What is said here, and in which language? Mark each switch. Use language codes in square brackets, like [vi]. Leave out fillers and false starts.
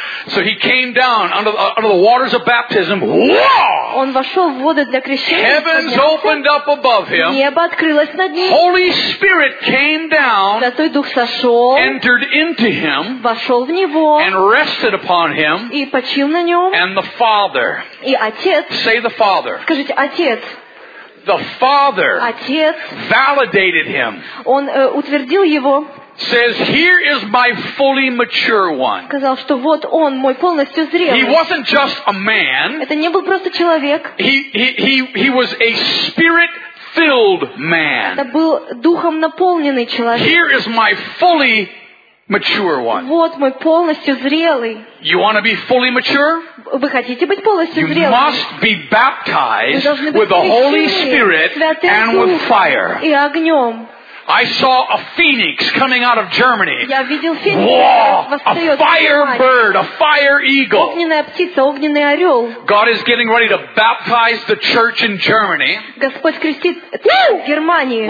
[en] So he came down under the waters of baptism. [ru] Он вошел в воды для крещения. [en] Heavens opened up above him. [ru] Небо открылось над ним. [en] Holy Spirit came down. [ru] Святой Дух сошел. [en] Entered into him. [ru] Вошел в него. [en] And rested upon him. [ru] И почил на нем. [en] And the Father. [ru] И Отец. [en] Say the Father. [ru] Скажите, Отец. [en] The Father. [ru] Отец. [en] Validated him. [ru] Он утвердил его. [en] Says, here is my fully mature one. [ru] Сказал, что вот он, мой полностью зрелый. [en] He wasn't just a man. [ru] Это не был просто человек. [en] He was a spirit-filled man. [ru] Это был духом наполненный человек. [en] Here is my fully mature one. [ru] Вот мой полностью зрелый. [en] You want to be fully mature? [ru] Вы хотите быть полностью зрелым? [en] You must be baptized with the Holy Spirit and with fire. [ru] И огнем. [en] I saw a phoenix coming out of Germany. [ru] Я видел феникс. [en] Whoa! A fire bird, a fire eagle. [ru] Огненная птица, огненный орел. [en] God is getting ready to baptize the church in Germany. [ru] Господь крестит Германию.